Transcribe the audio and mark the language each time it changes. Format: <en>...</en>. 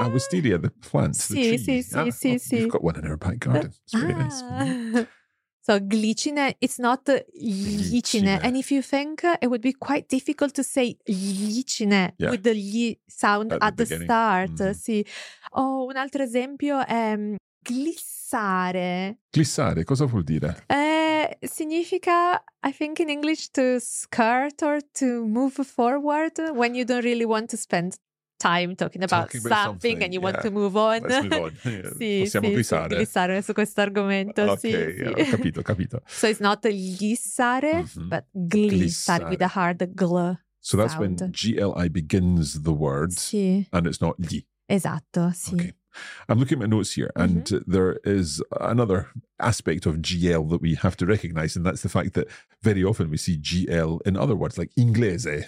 <en>Ah, wisteria, the plant,</en> <it>sì,</it> <en>the tree.</en> <it>Sì, sì, ah, sì, oh, sì.</it> <en>We've got one in our back garden. It's very nice. So glicine, it's not glicine. And if you think it would be quite difficult to say glicine with the gli sound at the start.</en> <it>Sì. Oh, un altro esempio è glissare. Glissare, cosa vuol dire?</it> <en>Significa, I think in English, to skirt or to move forward when you don't really want to spend time talking about something and you want to move on. Let's move on.</en> <it>Sì, possiamo glissare su questo argomento.</it> <en>Okay,</en> <it>sì, ho capito.</it> <en>So it's not glissare, but glissare with a hard gl sound. So that's when G-L-I begins the word and it's not gli.</en> <it>Esatto, sì.</it> <en>Okay. I'm looking at my notes here, and there is another aspect of GL that we have to recognize, and that's the fact that very often we see GL in other words, like inglese.</en>